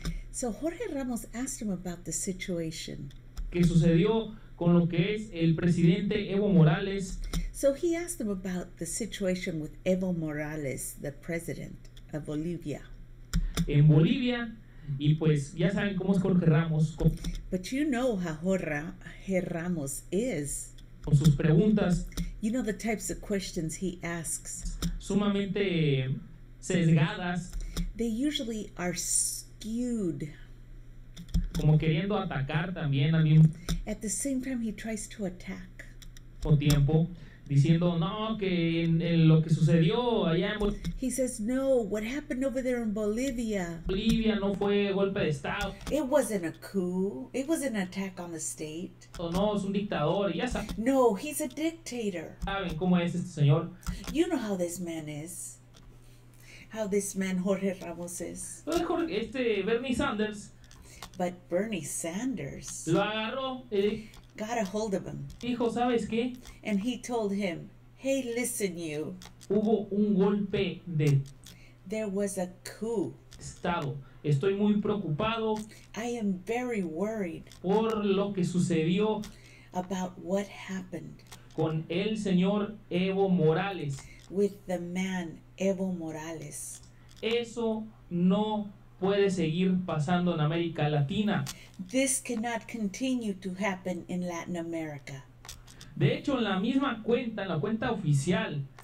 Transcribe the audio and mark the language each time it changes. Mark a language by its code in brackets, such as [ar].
[en] So Jorge Ramos asked him about the situation. [es] ¿Qué sucedió con lo que es el presidente Evo Morales? [en] So he asked him about the situation with Evo Morales, the president of Bolivia. [es] En Bolivia, y pues ya saben cómo es Jorge Ramos. [en] But you know how Jorge Ramos is. [es] Con sus preguntas. [en] You know the types of questions he asks. [es] Sumamente sesgadas. [en] They usually are skewed. [es] como queriendo atacar también a mí un, [en] at the same time he tries to attack. [es] O tiempo diciendo no que en lo que sucedió allá en [en] he says no what happened over there in Bolivia. [es] Bolivia no fue golpe de estado. [en] It wasn't a coup. It was an attack on the state. [es] Oh, no, es un dictador, ya sabe. [en] No, he's a dictator. [es] ¿Saben cómo es este señor? [en] You know how this man is. How this man Jorge Ramos is. [es] Jorge, este Bernie Sanders. [en] But Bernie Sanders. [es] Lo agarró [en] got a hold of him. [es] Dijo, ¿sabes qué? [en] And he told him, hey, listen, you. [es] Hubo un golpe de. [en] There was a coup. [es] Estado. Estoy muy preocupado. [en] I am very worried. [es] Por lo que sucedió. [en] About what happened. [es] Con el señor Evo Morales. [en] With the man Evo Morales. [es] Eso no puede seguir pasando en América Latina. [en] This cannot continue to happen in Latin America. [es] De hecho, en la misma cuenta, en la cuenta oficial.